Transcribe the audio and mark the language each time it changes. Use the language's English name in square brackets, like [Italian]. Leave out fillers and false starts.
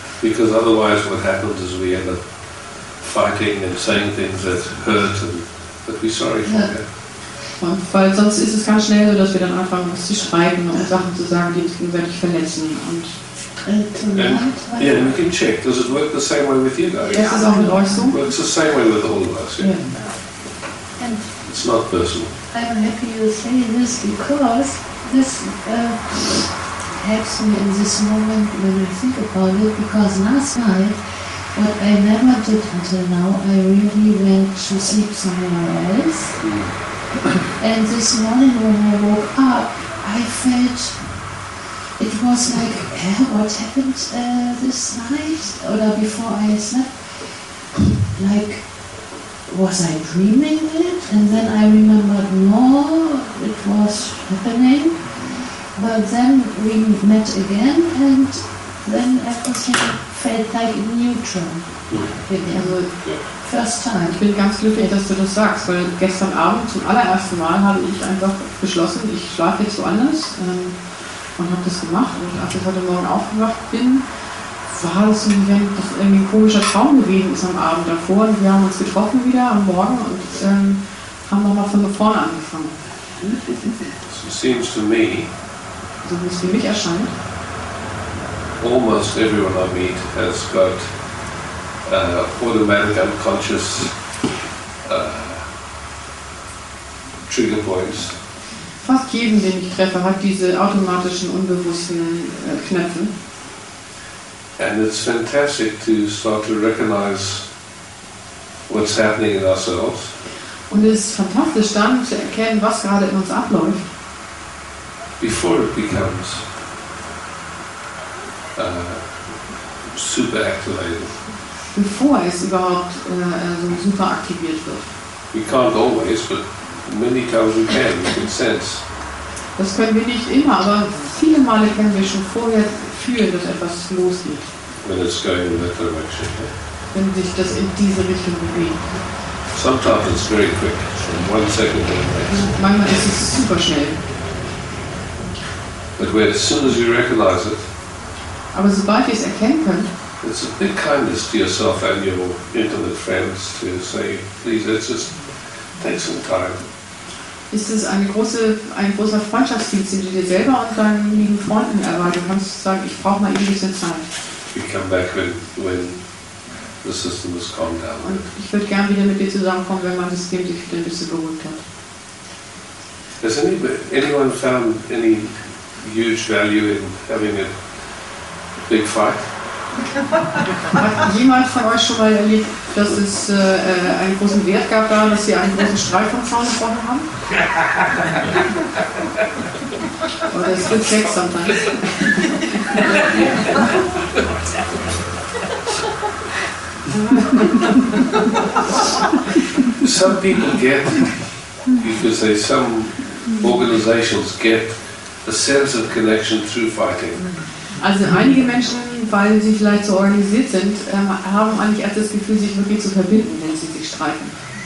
[English] Because otherwise what happens is we end up fighting and saying things that hurt and that we're sorry for. [German] Ja. Weil sonst ist es ganz schnell so, dass wir dann anfangen, uns zu schreiben und Sachen zu sagen, die uns gegenseitig verletzen. Und [English] yeah, we can check. Does it work the same way with you guys? [German] Ist es auch mit euch so? [English] Works the same way with all of us, yeah. It's not personal. I'm happy you say this because this helps me in this moment when I think about it. Because last night, what I never did until now, I really went to sleep somewhere else. And this morning when I woke up, I felt it was like, what happened this night or before I slept? Like, was I dreaming it? And then I remembered, no, it was happening. But then we met again, and then everything felt like neutral. First time. [German] Ich bin ganz glücklich, dass du das sagst, weil gestern Abend zum allerersten Mal habe ich einfach beschlossen, ich schlafe jetzt woanders und habe das gemacht. Und als ich heute Morgen aufgewacht bin, war es irgendwie ein komischer Traum gewesen ist am Abend davor, und wir haben uns getroffen wieder am Morgen und haben nochmal von vorne angefangen. [English] So seems to me, [German] so wie es für mich erscheint, [English] almost everyone I meet has got automatic unconscious trigger points. [German] Fast jeden, den ich treffe, hat diese automatischen, unbewussten Knöpfe. [English] And it's fantastic to start to recognize what's happening in ourselves. [German] Und es ist fantastisch, dann zu erkennen, was gerade in uns abläuft. [English] Before it becomes super activated. [German] Bevor es überhaupt super aktiviert wird. [English] We can't always, but many times we can sense. [German] Das können wir nicht immer, aber viele Male können wir schon vorher fühlen, dass etwas losgeht. [English] When it's going in that direction. [German] Wenn sich das in diese Richtung bewegt. [English] Sometimes it's very quick, from one second to the next. [German] Manchmal ist es super schnell. [English] But when, as soon as you recognize it, [German] aber sobald ihr es erkennen könnt, [English] it's a big kindness to yourself and your intimate friends to say, please, let's just take some time. [German] Ist es ein großer Freundschaftsdienst, den du dir selber und deinen lieben Freunden erweitern kannst, sagen, ich brauche mal eben diese Zeit. [English] We come back when the system has calmed down. [German] Und ich würde gerne wieder mit dir zusammenkommen, wenn mein System sich wieder ein bisschen beruhigt hat. [English] Has anyone found any huge value in having a big fight? [German] Hat jemand von euch schon mal erlebt, dass es einen großen Wert gab, da, dass sie einen großen Streit von vorne gebrochen haben? Oder es wird Sex sometimes. [English] Some people get, you could say, some organizations get a sense of connection through fighting. [German] Also einige Menschen, weil sie vielleicht so organisiert sind, haben eigentlich erst das Gefühl, sich wirklich zu verbinden, wenn sie sich streiten.